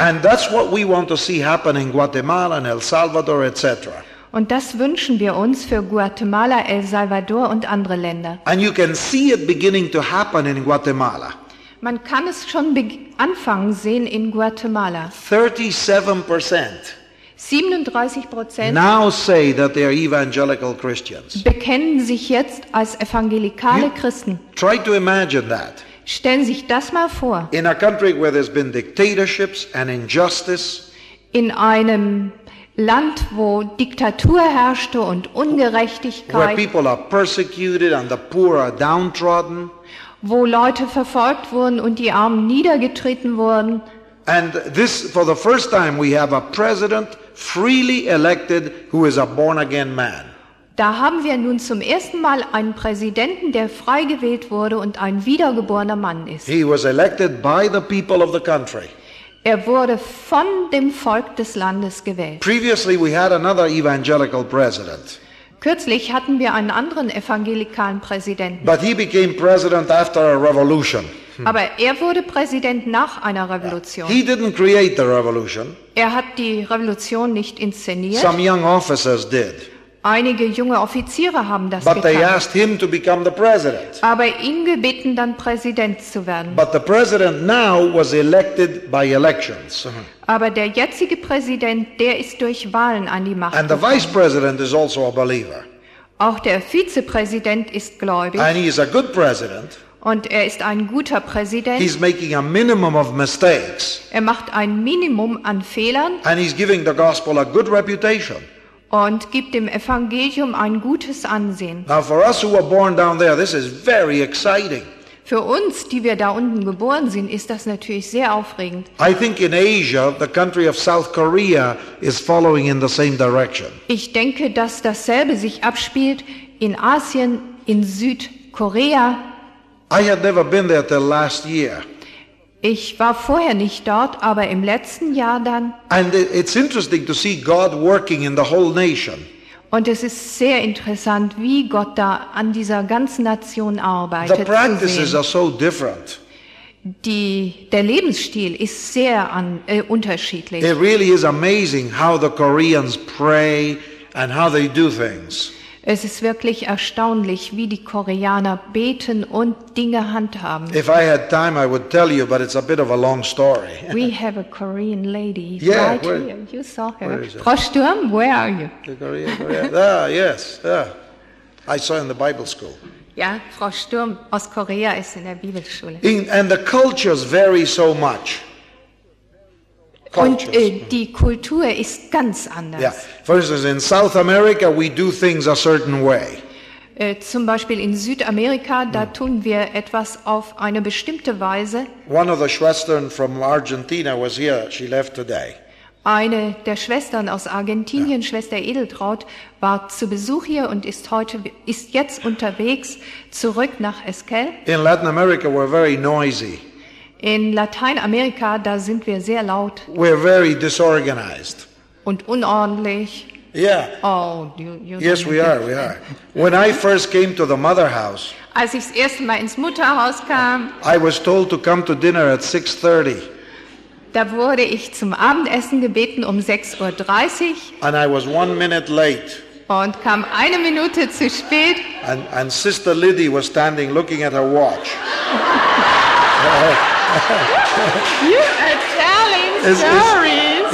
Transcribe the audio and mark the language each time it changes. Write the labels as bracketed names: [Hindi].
[English] And that's what we want to see happen in Guatemala and El Salvador, etc. [German] Und das wünschen wir uns für Guatemala, El Salvador und andere Länder. [English] And you can see it beginning to happen in Guatemala. [German] Man kann es schon anfangen sehen in Guatemala. [English] 37%. [German] 37% [English] now say that they are evangelical Christians. [German] Bekennen sich jetzt als evangelikale Christen. [English] Try to imagine that. [German] Stellen sich das mal vor. [English] In a country where there's been dictatorships and injustice. [German] In einem Land, wo Diktatur herrschte und Ungerechtigkeit. [English] Where people are persecuted and the poor are downtrodden. [German] Wo Leute verfolgt wurden und die Armen niedergetreten wurden. [English] And this, for the first time, we have a president freely elected who is a born-again man. [German] Da haben wir nun zum ersten Mal einen Präsidenten, der frei gewählt wurde und ein wiedergeborener Mann ist. [English] He was elected by the people of the country. [German] Er wurde von dem Volk des Landes gewählt. [English] Previously we had another evangelical president. [German] Kürzlich hatten wir einen anderen evangelikalen Präsidenten. [English] But he became president after a revolution. [German] Aber er wurde Präsident nach einer Revolution. [English] He didn't create the revolution. [German] Er hat die Revolution nicht inszeniert. [English] Some young officers did. [German] Einige junge Offiziere haben das [English] But [German] getan. [English] They asked him to become the president. [German] Aber ihn gebeten, dann Präsident zu werden. [English] But the president now was elected by elections. [German] Aber der jetzige Präsident, der ist durch Wahlen an die Macht gekommen. [English] And the vice president is also a believer. [German] Auch der Vizepräsident ist gläubig. [English] And he is a good president. [German] Und er ist ein guter Präsident. [English] He's making a minimum of mistakes. [German] Er macht ein Minimum an Fehlern. [English] And he's giving the gospel a good reputation. [German] Und gibt dem Evangelium ein gutes Ansehen. [English] Now for us who were born down there, this is very exciting. [German] Für uns, die wir da unten geboren sind, ist das natürlich sehr aufregend. [English] I think in Asia, the country of South Korea is following in the same direction. [German] Ich denke, dass dasselbe sich abspielt in Asien, in Südkorea. [English] I had never been there till last year. [German] Ich war vorher nicht dort, aber im letzten Jahr dann. [English] And it's interesting to see God working in the whole nation. [German] Und es ist sehr interessant, wie Gott da an dieser ganzen Nation arbeitet. [English] The practices are so different. [German] Der Lebensstil ist sehr unterschiedlich. [English] It really is amazing how the Koreans pray and how they do things. [German] Es ist wirklich erstaunlich, wie die Koreaner beten und Dinge handhaben. [English] If I had time, I would tell you, but it's a bit of a long story. We have a Korean lady yeah, right here. You saw her. Frau Sturm, where are you? The Korean. Ah, yes. Yeah. I saw her in the Bible school. [German] Ja, Frau Sturm aus Korea ist in der Bibelschule. [English] And the cultures vary so much. [German] Und die Kultur ist ganz anders. [English] Yeah. For instance, in South America, we do things a certain way. [German] Zum Beispiel in Südamerika, da tun wir etwas auf eine bestimmte Weise. [English] One of the Schwestern from Argentina was here. She left today. [German] Eine der Schwestern aus Argentinien, yeah. Schwester Edeltraut, war zu Besuch hier und ist jetzt unterwegs zurück nach Esquel. [English] In Latin America, we're very noisy. [German] In Lateinamerika, da sind wir sehr laut. [English] We're very disorganized. [German] Und unordentlich. [English] Yeah. Oh, yes, we are. When I first came to the mother house, [German] als ich das erste Mal ins Mutterhaus kam, [English] I was told to come to dinner at 6:30. [German] Da wurde ich zum Abendessen gebeten um 6:30 Uhr. [English] And I was 1 minute late. [German] Und kam eine Minute zu spät. [English] And Sister Liddy was standing looking at her watch. You are telling stories.